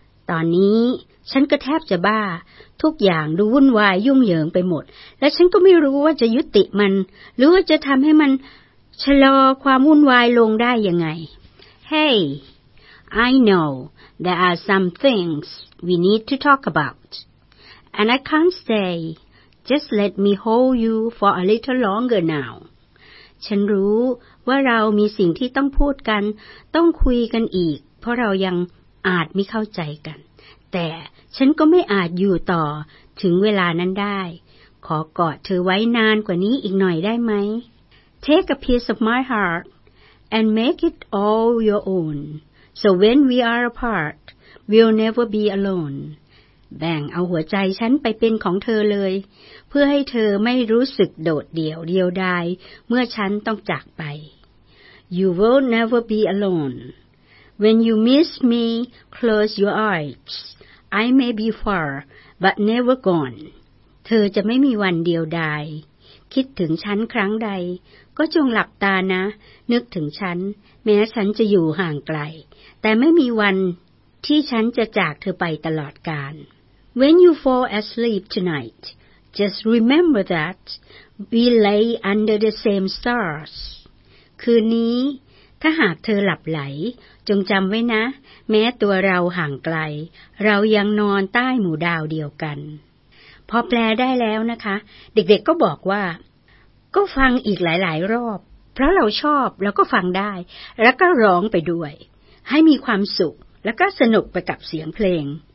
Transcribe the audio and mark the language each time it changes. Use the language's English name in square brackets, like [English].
[Thai] ตอนนี้ฉันก็แทบจะบ้าทุกอย่างดูวุ่นวายยุ่งเหยิงไปหมดและฉันก็ไม่รู้ว่าจะยุติมันหรือว่าจะทำให้มันชะลอความวุ่นวายลงได้ยังไง [English] Hey, I know there are some things we need to talk about and I can't stay. Just let me hold you for a little longer now. [Thai] ฉันรู้ว่าเรามีสิ่งที่ต้องพูดกันต้องคุยกันอีกเพราะเรายังอาจไม่เข้าใจกันแต่ฉันก็ไม่อาจอยู่ต่อถึงเวลานั้นได้ขอกอดเธอไว้นานกว่านี้อีกหน่อยได้ไหม [English] Take a piece of my heart and make it all your own So when we are apart, we'll never be alone [Thai] แบ่งเอาหัวใจฉันไปเป็นของเธอเลยเพื่อให้เธอไม่รู้สึกโดดเดี่ยวเดียวดายเมื่อฉันต้องจากไป [English] You will never be aloneWhen you miss me, close your eyes. I may be far, but never gone. [Thai] เธอจะไม่มีวันเดียวดายคิดถึงฉันครั้งใดก็จงหลับตานะนึกถึงฉันแม้ฉันจะอยู่ห่างไกลแต่ไม่มีวันที่ฉันจะจากเธอไปตลอดกาล [English] When you fall asleep tonight, just remember that we lay under the same stars. [Thai] คืนนี้ถ้าหากเธอหลับไหลจงจำไว้นะแม้ตัวเราห่างไกลเรายังนอนใต้หมู่ดาวเดียวกันพอแปลได้แล้วนะคะเด็กๆก็บอกว่าก็ฟังอีกหลายๆรอบเพราะเราชอบแล้วก็ฟังได้แล้วก็ร้องไปด้วยให้มีความสุขแล้วก็สนุกไปกับเสียงเพลง